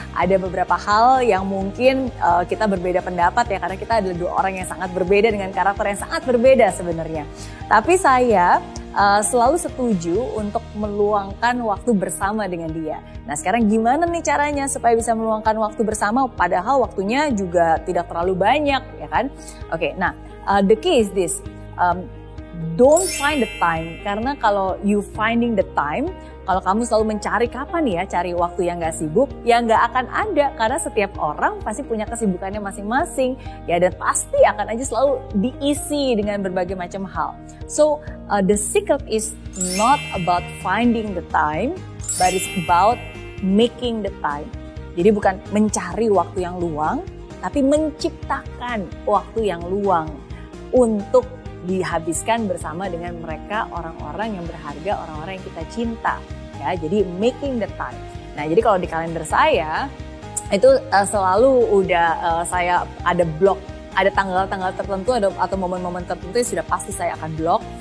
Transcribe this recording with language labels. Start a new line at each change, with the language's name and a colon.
Indonesian: Ada beberapa hal yang mungkin kita berbeda pendapat ya, karena kita adalah dua orang yang sangat berbeda dengan karakter yang sangat berbeda sebenarnya. Tapi saya selalu setuju untuk meluangkan waktu bersama dengan dia. Nah sekarang gimana nih caranya supaya bisa meluangkan waktu bersama padahal waktunya juga tidak terlalu banyak ya kan?
English: Oke, nah the key is this, don't find the time.
Indonesian: Karena kalau
English: you finding the time,
Indonesian: kalau kamu selalu mencari kapan ya cari waktu yang gak sibuk, ya gak akan ada karena setiap orang pasti punya kesibukannya masing-masing. Ya dan pasti akan aja selalu diisi dengan berbagai macam hal.
English: So the secret is not about finding the time, but it's about making the time.
Indonesian: Jadi bukan mencari waktu yang luang, tapi menciptakan waktu yang luang untuk dihabiskan bersama dengan mereka, orang-orang yang berharga, orang-orang yang kita cinta ya. Jadi
English: making the time.
Indonesian: Nah jadi kalau di kalender saya itu selalu udah saya ada blok, ada tanggal-tanggal tertentu atau momen-momen tertentu yang sudah pasti saya akan blok.